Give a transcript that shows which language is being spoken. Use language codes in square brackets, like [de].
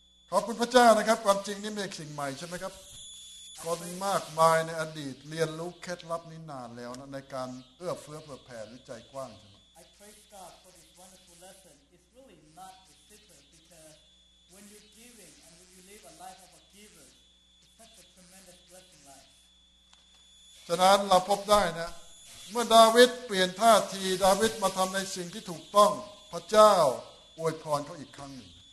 [th] ขอบคุณพระเจ้านะครับความจริงนี่เป็นสิ่งใหม่ใช่ไหมครับคนมากมายในอดีตเรียนรู้เคล็ดลับนี้นานแล้วนะในการเอื้อเฟื้อเผื่อแผ่หรือใจกว้างใช่ไหม [en] I praise God for this wonderful lesson. It's really not a secret because when you're giving and when you live a life of a giver, it's such a tremendous blessing life. [th] ฉะนั้นเราพบได้นะเมื่อดาวิดเปลี่ยนท่าทีดาวิดมาทำในสิ่งที่ถูกต้องพระเจ้าอวยพรเขาอีกครั้งหนึ่ง